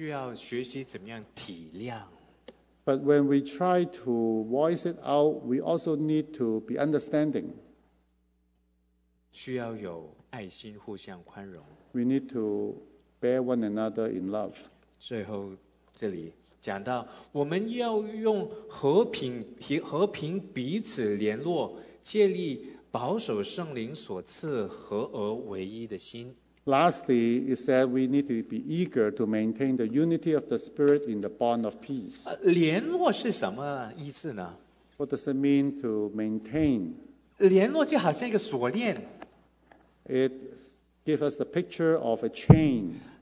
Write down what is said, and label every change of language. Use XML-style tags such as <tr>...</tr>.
<zh>但是我们要去讲的时候，我们也是必须需要学习怎么样体谅。</zh> <en>But when we try to voice it out, we also need to be understanding.</en> <zh>需要有爱心互相宽容。</zh> <en>We need to bear one another in love.</en> <zh>最后这里讲到，我们要用和平彼此联络，建立。保守圣灵所赐合而为一的心。</zh> <en>Lastly, it said we need to be eager to maintain the unity of the Spirit in the bond of peace.</en> <zh>联络是什么意思呢?</zh> <en>What does it mean to maintain?</en> <zh>联络就好像一个锁链。</zh> <en>It gives us the picture of a chain.</en>